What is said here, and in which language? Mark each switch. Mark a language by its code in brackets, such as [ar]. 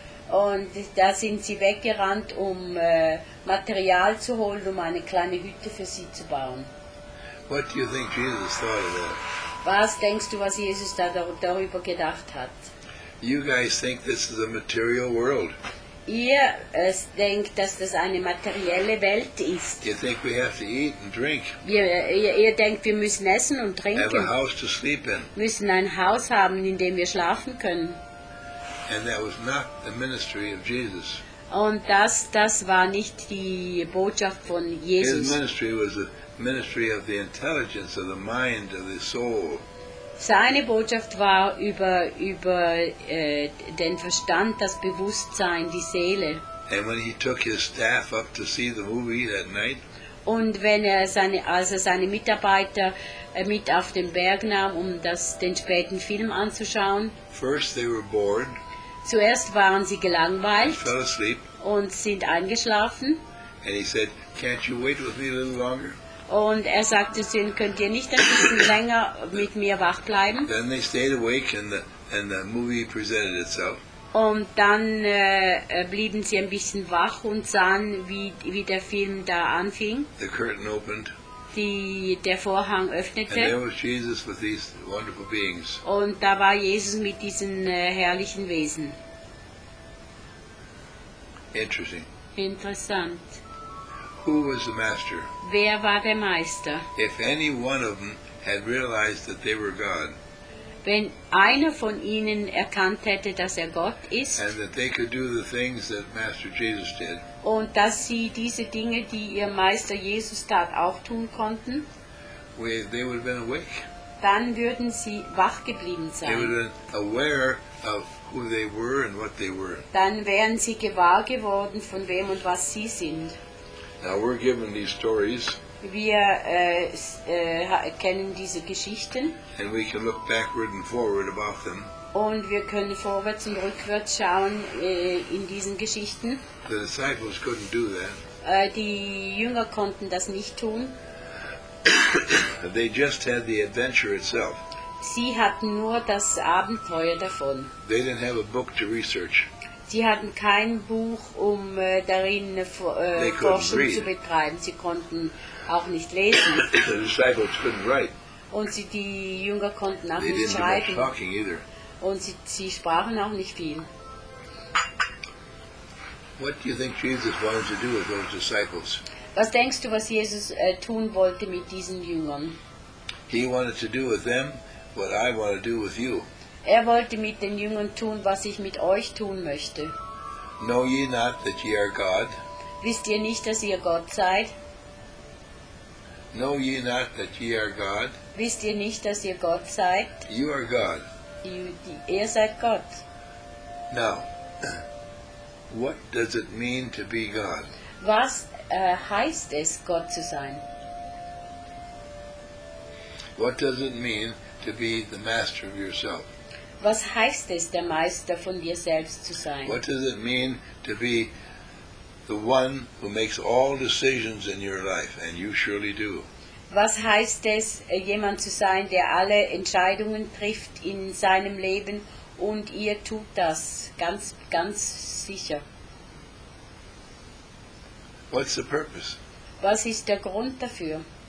[de] Und da sind sie weggerannt, um Material zu holen, um eine kleine Hütte für sie zu bauen. [en] What do you think Jesus thought of that? [de] Was denkst du, was Jesus da darüber gedacht hat? [en] You guys think this is a material world. [de] Ihr denkt, dass das eine materielle Welt ist. [en] You think we have to eat and drink. [de] Ihr denkt, wir müssen essen und trinken. [en] Have a house to sleep in. [de] Müssen ein Haus haben, in dem wir schlafen können. [en] And that was not the ministry of Jesus. [de] Und das war nicht die Botschaft von Jesus. [en] His ministry was the ministry of the intelligence, of the mind, of the soul. [de] Seine Botschaft war über den Verstand, das Bewusstsein, die Seele. [en] And when he took his staff up to see the movie that night, [de] und wenn seine Mitarbeiter mit auf den Berg nahm, um den späten Film anzuschauen, [en] first they were bored, [de] zuerst waren sie gelangweilt, [en] fell asleep, [de] und sind eingeschlafen. [en] And he said, can't you wait with me a little longer? [de] Und sagte zu ihnen, könnt ihr nicht ein bisschen länger mit mir wach bleiben? [en] Then they stayed awake and the movie presented itself. [de] Und dann blieben sie ein bisschen wach und sahen, wie der Film da anfing. [en] The curtain opened. [de] Der Vorhang öffnete. [en] And there was Jesus with these wonderful beings. [de] Und da war Jesus mit diesen herrlichen Wesen. [en] Interesting. [de] Interessant. [en] Who was the master? [de] Wer war der Meister? [en] If any one of them had realized that they were God, [de] wenn einer von ihnen erkannt hätte, dass Gott ist, [en] and that they could do the things that Master Jesus did, [de] und dass sie diese Dinge, die ihr Meister Jesus tat, auch tun konnten, [en] they would have been awake. [de] Dann würden sie wach geblieben sein. [en] They would have been aware of who they were and what they were. [de] Dann wären sie gewahr geworden, von wem und was sie sind. [en] Now we're given these stories. [de] Wir kennen diese Geschichten. [en] And we can look backward and forward about them. [de] Und wir können vorwärts und rückwärts schauen in diesen Geschichten. [en] The disciples couldn't do that. [de] Die Jünger konnten das nicht tun. [en] They just had the adventure itself. [de] Sie hatten nur das Abenteuer davon. [en] They didn't have a book to research. [de] Sie hatten kein Buch, um darin Forschung zu betreiben. Sie konnten auch nicht lesen. [en] The disciples couldn't write. [de] Und die Jünger konnten auch nicht schreiben. Und sie sprachen auch nicht viel. [en] What do you think Jesus wanted to do with those disciples? [de] Was denkst du, was Jesus tun wollte mit diesen Jüngern? [en] He wanted to do with them what I want to do with you. [de] Er wollte mit den Jüngern tun, was ich mit euch tun möchte. [en] Know ye not that ye are God? [de] Wisst ihr nicht, dass ihr Gott seid? [en] Know ye not that ye are God? [de] Wisst ihr nicht, dass ihr Gott seid? [en] You are God. [de] Ihr seid Gott. [en] Now, what does it mean to be God? [de] Was heißt es, Gott zu sein? [en] What does it mean to be the master of yourself? [de] Was heißt es, der Meister von dir selbst zu sein? [en] What does it mean to be the one who makes all decisions in your life, and you surely do? [de] was heißt es, jemand zu sein, der alle Entscheidungen trifft in seinem Leben, und ihr tut das ganz, ganz sicher. [en] What's the purpose? [de] Was ist der Grund dafür?